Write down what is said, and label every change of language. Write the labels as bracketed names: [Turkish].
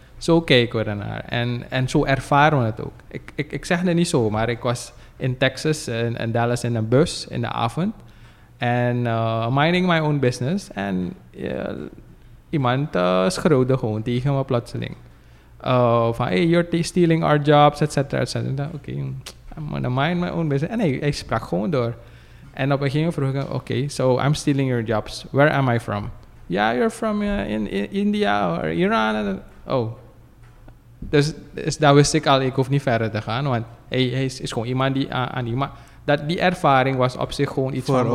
[Dutch] Zo kijken we ernaar en zo ervaren we het ook. Ik zeg het niet zo, maar ik was in Texas en Dallas in een bus in de avond en [English] minding my own business [Dutch] en iemand schreeuwde gewoon tegen me plotseling van [English] hey, you're stealing our jobs, [Dutch] etcetera. [English] Okay, I'm gonna mind my own business. [Dutch] En hij sprak gewoon door en op een gegeven moment vroeg ik, [English] okay, so I'm stealing your jobs, where am I from? Yeah, you're from in India or Iran. [Dutch] Dus daar wist ik al, ik hoef niet verder te gaan, want hij is gewoon iemand die aan iemand. Dat die ervaring was op zich gewoon iets